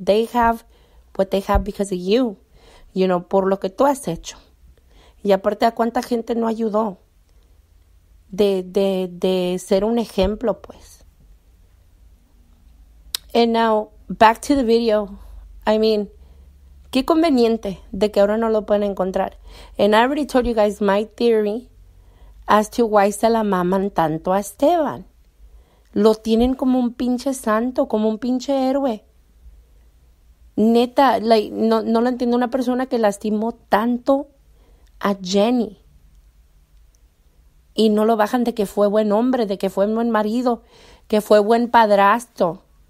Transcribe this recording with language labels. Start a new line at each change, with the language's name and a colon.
English: They have what they have because of you, you know,
Spanish: por lo que tú has hecho. Y aparte, ¿a cuánta gente no ayudó de ser un ejemplo, pues?
English: And now, back to the video. I mean,
Spanish: qué conveniente de que ahora no lo pueden encontrar.
English: And I already told you guys my theory as to why
Spanish: se la maman tanto a Esteban. Lo tienen como un pinche santo, como un pinche héroe. Neta, like, no lo entiendo. Una persona que lastimó tanto a Jenny. Y no lo bajan de que fue buen hombre, de que fue buen marido, que fue buen padrastro.